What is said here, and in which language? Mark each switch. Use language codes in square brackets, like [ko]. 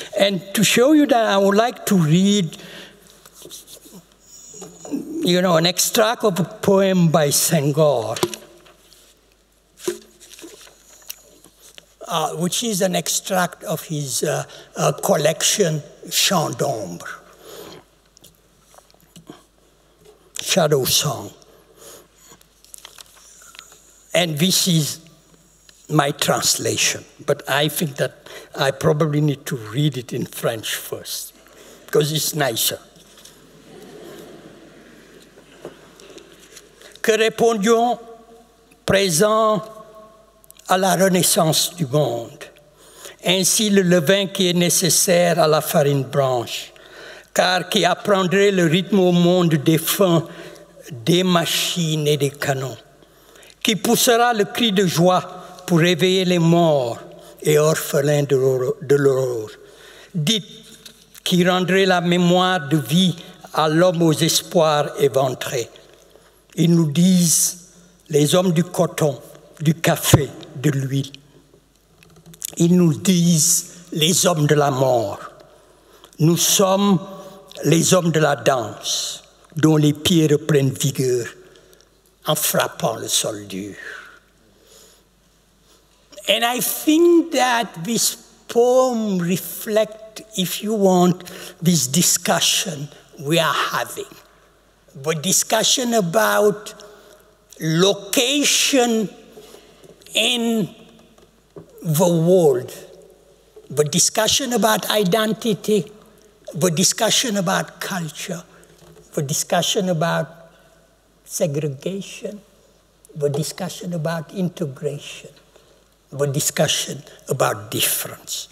[en] And to show you that, I would like to read, you know, an extract of a poem by Senghor, which is an extract of his collection, Chant d'Ombre, Shadow Song. And this is my translation, but I think that I probably need to read it in French first, because it's nicer. [fr] Que répondions présent à la renaissance du monde, ainsi le levain qui est nécessaire à la farine blanche, car qui apprendrait le rythme au monde des fins, des machines et des canons, qui poussera le cri de joie pour réveiller les morts et orphelins de l'aurore, dites qui rendrait la mémoire de vie à l'homme aux espoirs éventrés. Ils nous disent les hommes du coton, du café, de l'huile. Ils nous disent les hommes de la mort. Nous sommes les hommes de la danse, dont les pieds reprennent vigueur en frappant le sol dur. [en] And I think that this poem reflects, if you want, this discussion we are having. The discussion about location in the world, the discussion about identity, the discussion about culture, the discussion about segregation, the discussion about integration, the discussion about difference.